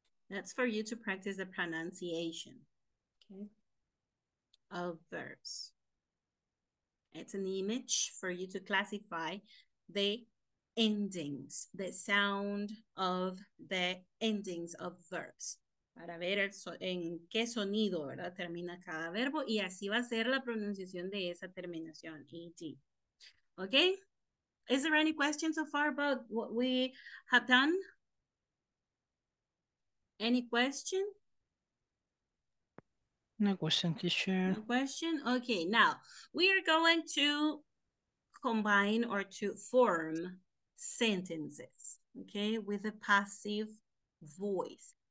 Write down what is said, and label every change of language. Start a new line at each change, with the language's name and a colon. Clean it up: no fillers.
English: That's for you to practice the pronunciation, okay? Of verbs. It's an image for you to classify the endings, the sound of the endings of verbs.
Spanish: Para ver el en qué sonido, ¿verdad? Termina cada verbo y así va a ser la pronunciación de esa terminación, ed.
English: Okay? Is there any question so far about what we have done? Any question? No question, teacher. No question? Okay, now we are going to combine or to form sentences, okay, with a passive voice.